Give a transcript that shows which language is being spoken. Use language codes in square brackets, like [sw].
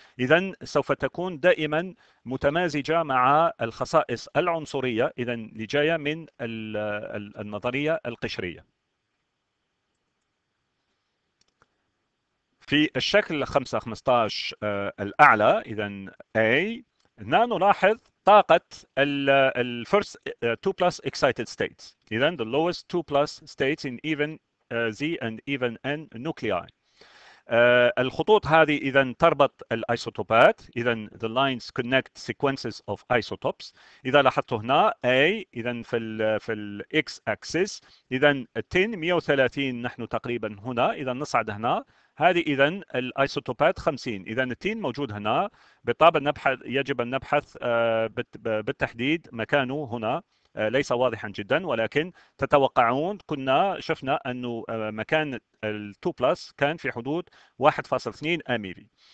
[ar] إذن سوف تكون دائما متمازجة مع الخصائص العنصرية، إذن اللي جاية من النظرية القشرية. في الشكل 5-15 الأعلى، إذن A، هنا نلاحظ طاقة الـ [en] first 2 plus excited states، [ar] إذن [en] the lowest 2 plus states in even Z and even N nuclei. [ar] الخطوط هذه إذا تربط الايسوتوبات، إذا [en] the lines connect sequences of isotopes. [ar] إذا لاحظت هنا A إذا في الـ X axis، إذا 10 130 نحن تقريبا هنا، إذا نصعد هنا هذه إذا الايسوتوبات 50، إذا 10 موجود هنا، بالطبع نبحث، يجب أن نبحث بالتحديد مكانه هنا، ليس واضحا جدا، ولكن تتوقعون كنا شفنا أنه مكان الـ 2 بلس كان في حدود 1.2 أميري.